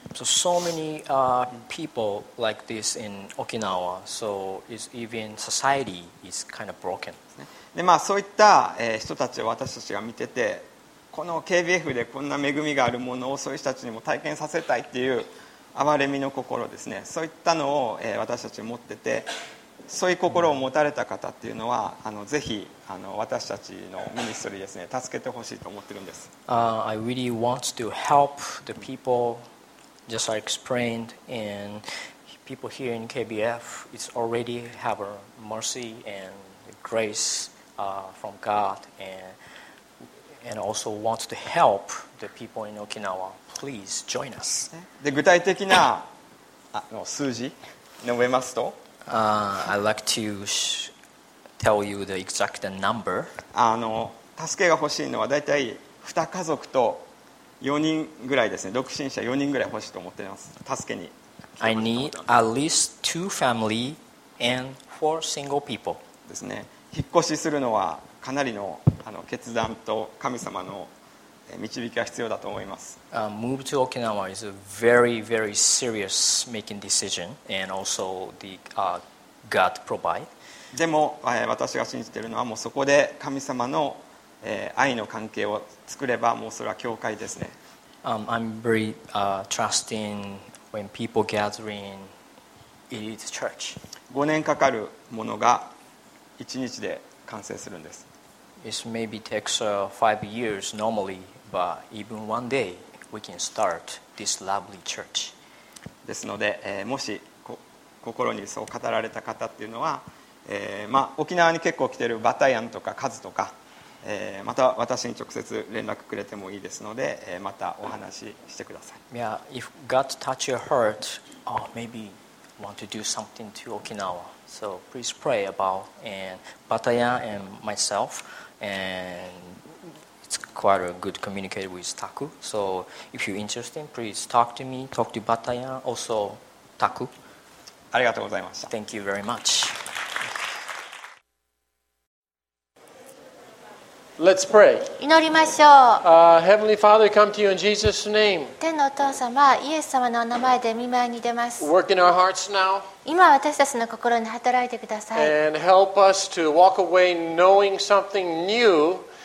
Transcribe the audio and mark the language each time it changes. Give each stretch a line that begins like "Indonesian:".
English: So, so many people like this in Okinawa. So is even society is kind of broken.
Japanese: で、まあそういった、人たちを私たちが見てて、この KBF でこんな恵みがあるものをそういう人たちにも体験させたいっていう憐れみの心ですね。そういったのを、私たち持ってて、そういう心を持たれた方っていうのは、ぜひ私たちのミニストリーですね、助けてほしいと思ってるんです。
English: I really want to help the people, just like explained, and people here in KBF is already have a mercy and grace from God, and also want to help the people in Okinawa. Please join us.
Japanese: で、具体的な数字述べますと。
English: I'd like to tell you the exact number.
Japanese: 助けが欲しいのはだいたい2家族と4人ぐらいですね。独身者4人ぐらい欲しいと思っています。助けに。
English: I need at least two family and four single people.
Japanese: ですね。引っ越しするのはかなり の決断と神様の導きが必要だと思います。
English: Move to Okinawa is a very, very serious making decision, and also the God provide.
Japanese: でも、私が信じているのはもうそこで神様の、愛の関係を作ればもうそれは教会ですね。
English: I'm very trusting when people gathering in the church.
Japanese: 5年かかるものが1日で完成するんです。
English: It maybe takes five years normally. But even one day, we can start this lovely church.
Japanese: ですので、もし心にそう語られた方っていうのは、沖縄に結構来ているバタヤンとかカズとか、また私に直接連絡くれてもいいですので、またお話ししてください。
English: Yeah, if God touch your heart, maybe want to do something to Okinawa. So please pray about and Batayan and myself and. It's quite a good communicator with Taku. So if you're interested, please talk to me, talk to Bataya, also Taku.
Japanese: ありがとうございました。
English: Thank you very much. Let's pray.
Japanese: 祈りましょう。
English: Heavenly Father, come to you in Jesus' name.
Japanese: 天のお父様、イエス様の名前で御前に出ます。
English: Work in our hearts now.
Japanese: 今私たちの心に働いてください。
English: And help us to walk away knowing something new.